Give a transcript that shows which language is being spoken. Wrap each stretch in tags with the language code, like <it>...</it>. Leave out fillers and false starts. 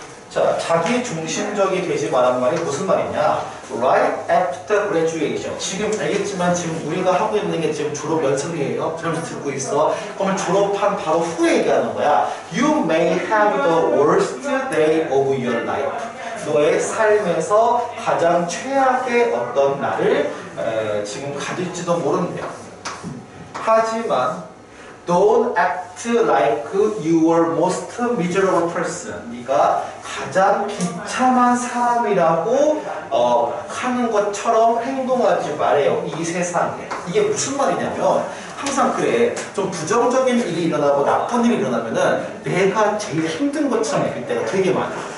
<ko>자, 자기 중심적이 되지 말라는 말이 무슨 말이냐?</ko> <en>Right after graduation.</en> <ko>지금 알겠지만 지금 우리가 하고 있는 게 지금 졸업 연습이에요. 지금 듣고 있어. 그러면 졸업한 바로 후에 얘기하는 거야.</ko> <en>You may have the worst day of your life.</en> <ko>너의 삶에서 가장 최악의 어떤 날을 지금 가질지도 모른대요. 하지만</ko> <en>Don't act like you are most miserable person.</en> <ko>네가 가장 비참한 사람이라고 하는 것처럼 행동하지 말아요. 이 세상에. 이게 무슨 말이냐면 항상 그래. 좀 부정적인 일이 일어나고 나쁜 일이 일어나면은 내가 제일 힘든 것처럼 느낄 때가 되게 많아.</ko>